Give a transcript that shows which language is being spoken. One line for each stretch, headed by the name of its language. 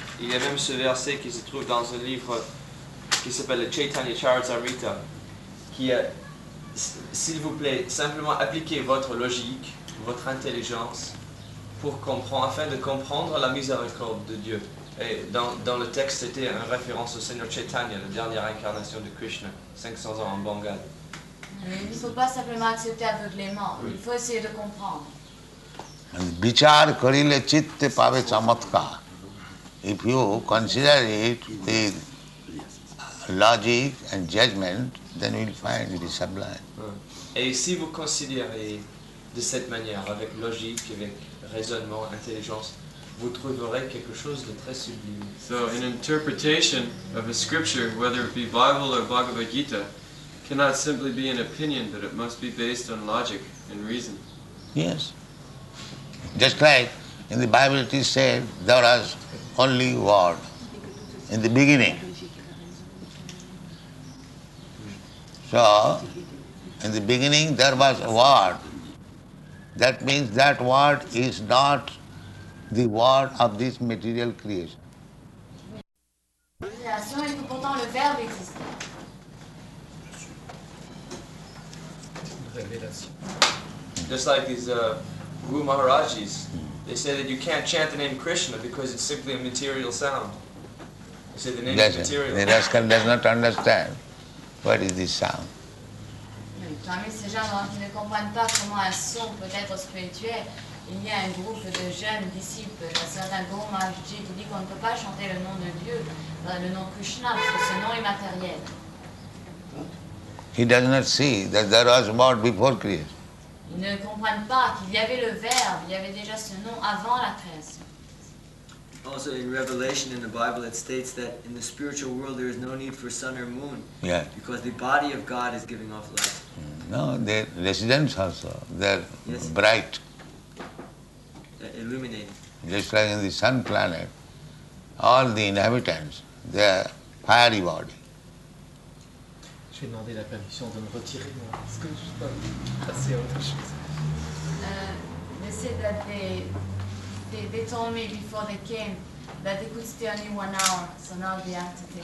French: Il y a même ce verset qui se trouve dans un livre qui s'appelle le Chaitanya Charitamrita, qui est, s'il vous plaît, simplement appliquez votre logique, votre intelligence, afin de comprendre la miséricorde de Dieu. Et dans le texte, c'était une référence au Seigneur Chaitanya, la dernière incarnation de Krishna, 500 ans en Bengale. Il ne faut pas simplement accepter aveuglément, il faut essayer de comprendre.
Bangla: And bichar karile chitte pave chamatkar.
English: If you consider it with logic and judgment, then you will find it is sublime.
French: Et si vous considérez de cette manière, avec logique, avec raisonnement, intelligence, vous trouverez quelque chose de très sublime.
English: So an interpretation of a scripture, whether it be Bible or Bhagavad Gita, cannot simply be an opinion, but it must be based on logic and reason. Yes. Just like in the Bible it is said, there was only word in the beginning. So, in the beginning there was a word. That means that word is not the word of this material creation. Just like these Guru Maharajis, they say that you can't chant the name Krishna because it's simply a material sound. They say the name is material. The rascal does not understand what is this sound.
French: Parmi ces gens qui ne comprennent pas comment un son peut être spirituel, il y a un groupe de jeunes disciples, un certain Guru Maharaji, qui dit qu'on ne peut pas chanter le nom de Dieu, le nom Krishna, parce que ce nom est matériel.
English: He does not see that there was word before creation.
French: Ils ne comprennent pas qu'il y avait le verbe, il y avait déjà ce nom avant la création.
English: Also in Revelation in the Bible it states that in the spiritual world there is no need for sun or moon. Yeah. Because the body of God is giving off light. No, their residence also, they're yes. Bright. They're illuminated. Just like in the sun planet, all the inhabitants, they are fiery body.
French: Je vais demander la permission de me retirer moi. Est-ce que je peux passer à autre chose?
English: They said that they told me before they came that they could stay only 1 hour, so now they have to take.